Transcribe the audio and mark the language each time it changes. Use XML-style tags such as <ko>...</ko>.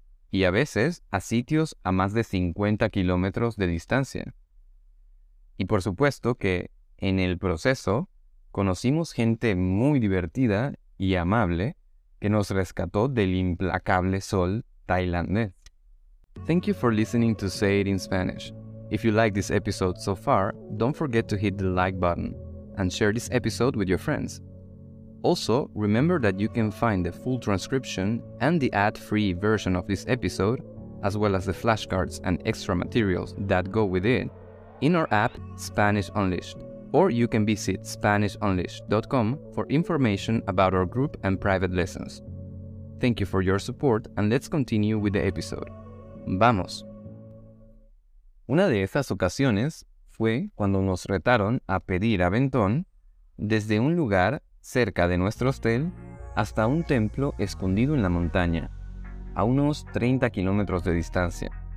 <es>Y a veces a sitios a más de 50 kilómetros de distancia. Y por supuesto que, en el proceso, conocimos gente muy divertida y amable que nos rescató del implacable sol tailandés.</es> <en>Thank you for listening to Say It in Spanish. If you like this episode so far, don't forget to hit the like button and share this episode with your friends. Also, remember that you can find the full transcription and the ad-free version of this episode, as well as the flashcards and extra materials that go with it, in our app Spanish Unleashed, or you can visit SpanishUnleashed.com for information about our group and private lessons. Thank you for your support and let's continue with the episode.</en> <es>¡Vamos! Una de esas ocasiones fue cuando nos retaron a pedir aventón desde un lugar cerca de nuestro hostel hasta un templo escondido en la montaña, a unos 30 kilómetros de distancia.</es>